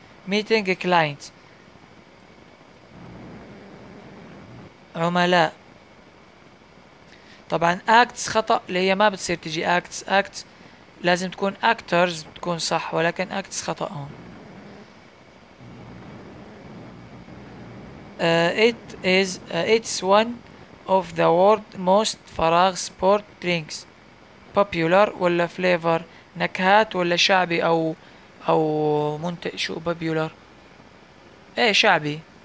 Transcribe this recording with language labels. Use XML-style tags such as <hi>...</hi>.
<en>meeting client</en> <ar>عملاء. طبعا acts خطأ، اللي هي ما بتصير تجي acts. acts لازم تكون actors بتكون صح، ولكن acts خطأ هون.</ar> <en>it's one of the world most</en> <ar>فراغ</ar> <en>sport drinks.</en> <ar>popular ولا flavor؟ نكهات ولا شعبي او منتج؟ شو popular؟ ايه شعبي.</ar>